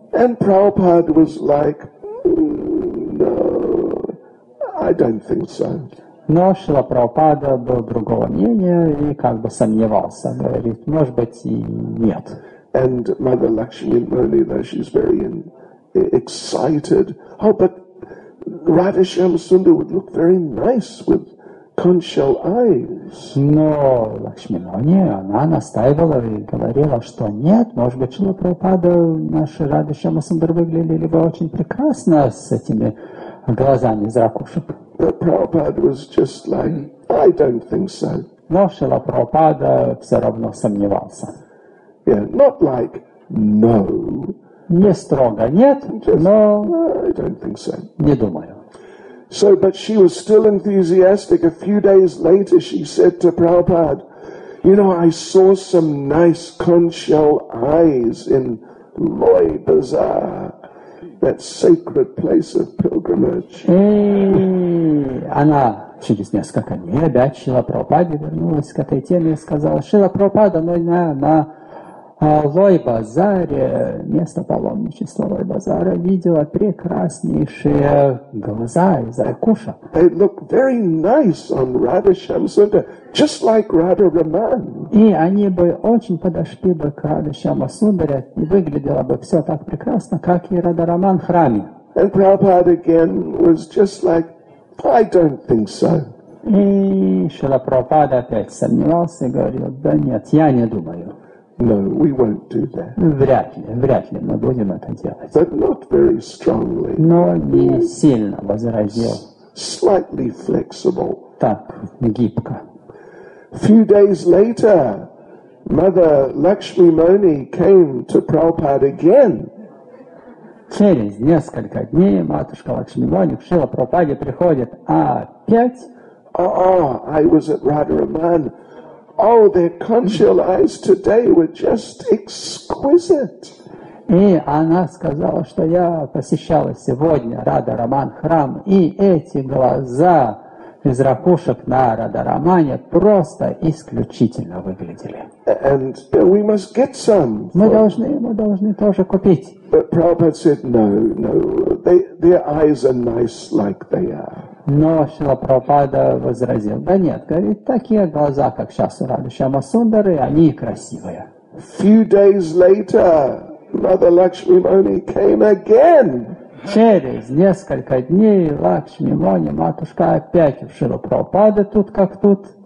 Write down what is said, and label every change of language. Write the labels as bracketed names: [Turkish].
[English] And Prabhupada was like, no, I don't think so. [Russian] Но Шрила Прабхупада был другого мнения и как бы сомневался. Говорит, может быть, и нет. [English] And Mother Lakshmi Moni, though she's very excited. Oh, but Radhasham Sunda would look very nice with conch shell eyes. [Russian] Но Лакшми Мони, она настаивала и говорила, что нет, может быть, Шрила Прабхупада, наши Радхасham Sunda выглядели бы очень прекрасно с этими глазами из ракушек. [English] But Prabhupada was just like, I don't think so. [Russian] Но Шрила Прабхупада все равно сомневался. [English] Yeah, not like, no. [Russian] Не строго, нет, [English] just, [Russian] но... [English] I don't think so. [Russian] Не думаю. [English] So, but she was still enthusiastic. A few days later, she said to Prabhupada, you know, I saw some nice conch shell eyes in Loy Bazaar. That sacred place of pilgrimage. [Russian] И она через несколько дней опять Шрила Прабхупаде вернулась к этой теме и сказала, Шрила Прабхупада, но на Лой-базаре, место паломничества Лой-базара, видела прекраснейшие глаза из ракуша. [English] They look very nice on Radhasham Sunda, just like Radharaman. [Russian] И они бы очень подошли бы к Радхашама Сундаре, и выглядело бы все так прекрасно, как и Радхараман в храме. [English] And Prabhupada again was just like, I don't think so. [Russian] И Шрила Прабхупада опять сомневался и говорил, да нет, я не думаю. [English] No, we won't do that. [Russian] Вряд ли мы будем это делать. [English] But not very strongly. [Russian] Но не сильно, возразил. [English] Slightly flexible. [Russian] Так, гибко. [English] Few days later, Mother Lakshmi Moni came to Prabhupada again. [Russian] Через несколько дней матушка Лакшми Мони к Шрила Прабхупаде приходит опять. [English] Oh, I was at Radharaman. Oh, their conch shell eyes today were just exquisite. [Russian] И она сказала, что я посещала сегодня Радхараман храм, и эти глаза из ракушек на Радарамане просто исключительно выглядели. [English] And we must get some. [Russian] Мы должны тоже купить. [English] But Prabhupada said, no, their eyes are nice like they are. [Russian] Но Шрила Прабхупада возразил, да нет, говорит, такие глаза, как сейчас у Рады Шьяма Сундары, они красивые. [English] Few days later, Mother Lakshmi Moni came again. [Russian] Через несколько дней Лакшми Мони, матушка, опять в Шрила Прабхупада тут как тут.